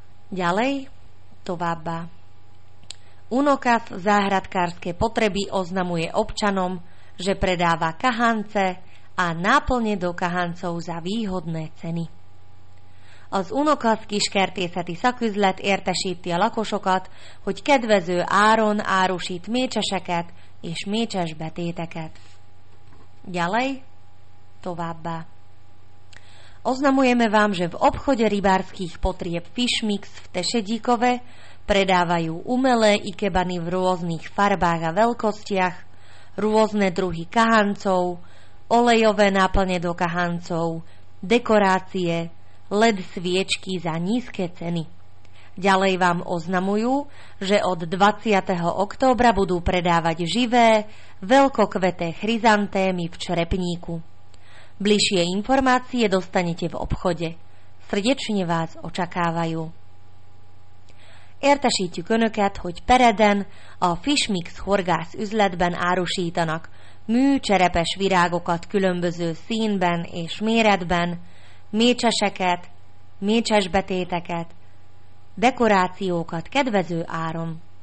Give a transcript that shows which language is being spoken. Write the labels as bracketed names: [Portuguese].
[Slovak] Ďalej, [Hungarian] továbbá. [Slovak] Unokas záhradkárske potreby oznamuje občanom, že predáva kahance a náplne do kahancov za výhodné ceny. [Hungarian] Az Unokasz kiskertészeti szaküzlet értesíti a lakosokat, hogy kedvező áron árusít mécseseket és mécses betéteket. [Slovak] Ďalej, [Hungarian] továbbá. [Slovak] Oznamujeme vám, že v obchode rybárskych potrieb Fishmix v Tešedíkove predávajú umelé ikebany v rôznych farbách a veľkostiach, rôzne druhy kahancov, olejové náplne do kahancov, dekorácie, LED sviečky za nízke ceny. Ďalej vám oznamujú, že od 20. októbra budú predávať živé, veľkokveté chryzantémy v črepníku. Bližšie informácie dostanete v obchode. Srdečne vás očakávajú. [Hungarian] Értesítjük önöket, hogy Pereden a Fishmix horgász üzletben árusítanak műcserepes virágokat különböző színben és méretben, mécseseket, mécses betéteket, dekorációkat kedvező áron.